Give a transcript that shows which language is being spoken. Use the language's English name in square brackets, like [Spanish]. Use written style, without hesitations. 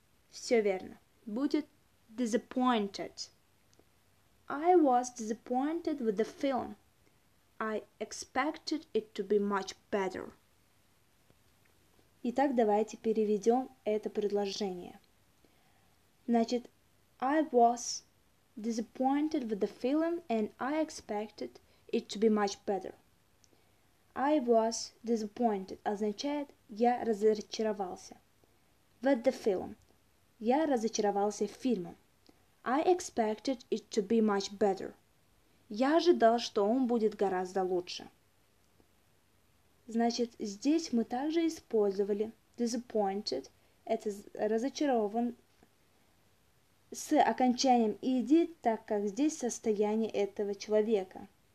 [Russian] Все верно. Будет disappointed. [English] I was disappointed with the film. I expected it to be much better. [Russian] Итак, давайте переведем это предложение. Значит, [English] I was disappointed with the film and I expected it to be much better. I was disappointed [Russian] означает я разочаровался. [English] With the film. [Russian] Я разочаровался фильмом. [English] I expected it to be much better. [Russian] Я ожидал, что он будет гораздо лучше. Значит, здесь мы также использовали disappointed, это разочарован, с окончанием ed, так как здесь состояние этого человека.